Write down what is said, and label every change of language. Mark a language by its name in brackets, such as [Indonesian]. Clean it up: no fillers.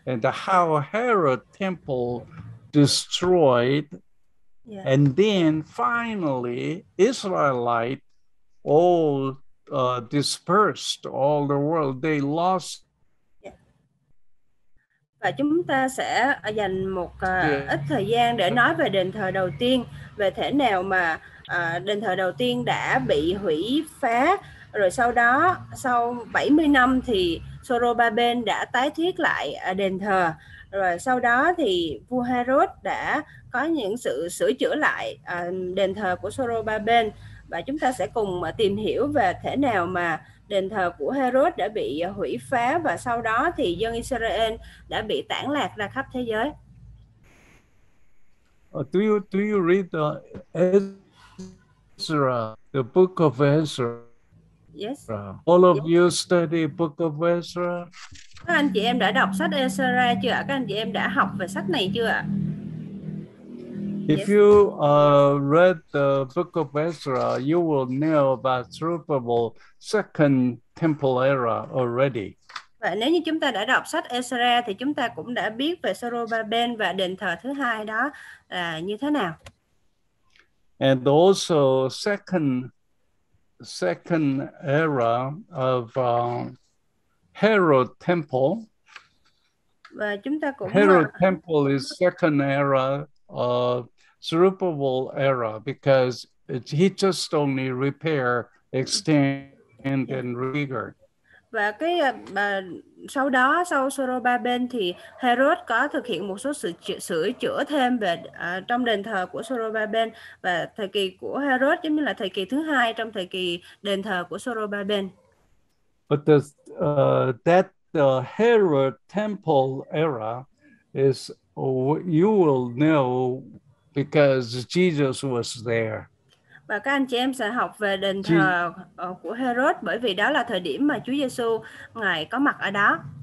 [English] And how Herod temple destroyed. Yeah. And then finally Israelite all dispersed all the world, they lost. [Vietnamese] Và chúng ta sẽ dành một ít thời gian để nói về đền thờ đầu tiên, về thể nào mà đền thờ đầu tiên đã bị hủy phá, rồi sau đó sau 70 năm thì Zerubbabel đã tái thiết lại đền thờ, rồi sau đó thì vua Herod đã có những sự sửa chữa lại đền thờ của Zerubbabel. Và chúng ta sẽ cùng tìm hiểu về thể nào mà đền thờ của Herod đã bị hủy phá và sau đó thì dân Israel đã bị tản lạc ra khắp thế giới. [English] Do you read the Ezra, the book of Ezra? Yes. All of you study book of Ezra? [Vietnamese] Các anh chị em đã đọc sách Ezra chưa? Các anh chị em đã học về sách này chưa? [English] If you read the book of Ezra, you will know about Zerubbabel second temple era already. [Vietnamese] Và nếu như chúng ta đã đọc sách Ezra thì chúng ta cũng đã biết về Zerubbabel và đền thờ thứ hai đó là như thế nào. [English] And also second era of Herod temple. [Vietnamese] Và chúng ta cũng [English] Herod temple is second era of Zerubbabel era, because he just only repair, extend and rigor. [Vietnamese] Và cái sau đó sau Zerubbabel thì Herod có thực hiện một số sửa chữa thêm về trong đền thờ của Zerubbabel, và thời kỳ của Herod giống như là thời kỳ thứ hai trong thời kỳ đền thờ của Zerubbabel. [English] But the that the Herod temple era is you will know because Jesus was there. [Vietnamese] Và các anh chị em sẽ học về đền thờ của Herod bởi vì đó là thời điểm mà Chúa Giêsu ngài có mặt ở đó.